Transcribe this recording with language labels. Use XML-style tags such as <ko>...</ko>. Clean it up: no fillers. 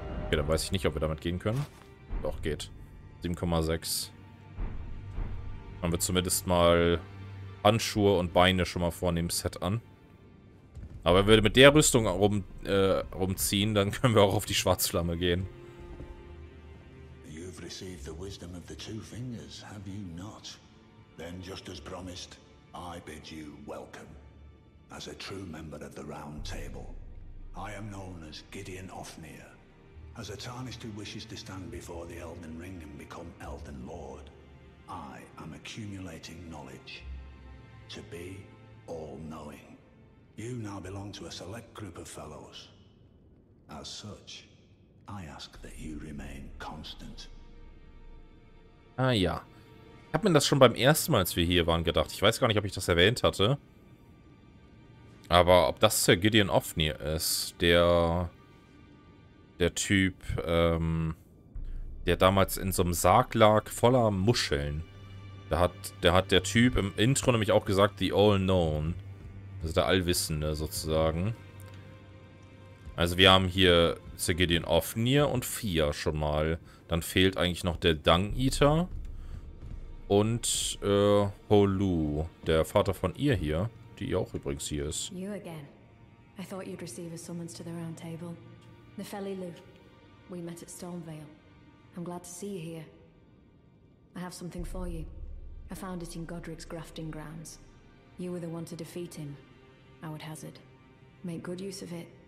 <de>Okay, dann weiß ich nicht, ob wir damit gehen können. Doch, geht. 7,6. Haben wir zumindest mal Handschuhe und Beine schon mal vorne im Set an. Aber wenn wir mit der Rüstung rumziehen, dann können wir auch auf die Schwarzflamme gehen.</de> <en>You've received the wisdom of the two fingers, have you not? Then just as promised, I bid you welcome. As a true member of the Round Table, I am known as Gideon Ofnir. As a tarnished who wishes to stand before the Elden Ring and become Elden Lord, I am accumulating knowledge. To be all-knowing. You now belong to a select group of fellows. As such, I ask that you remain constant.</en> <de>Ah ja. Ich hab mir das schon beim ersten Mal, als wir hier waren, gedacht. Ich weiß gar nicht, ob ich das erwähnt hatte. Aber ob das der Gideon Ofnir ist, der Typ, der damals in so einem Sarg lag, voller Muscheln. Da hat der Typ im Intro nämlich auch gesagt,</de> <en>the all known.</en> <de>Also der Allwissende sozusagen. Also wir haben hier Sir Gideon Ofnir und Fia schon mal. Dann fehlt eigentlich noch der Dung Eater. Und Holu, der Vater von ihr hier, die auch übrigens hier ist.</de> <en>You again. I thought you'd receive a summons to the round table. Nefeli Lu. We met at Stormvale. I'm glad to see you here. I have something for you. I found it in Godric's grafting grounds. You were the one to defeat him. I would hazard. Make good use of it.</en>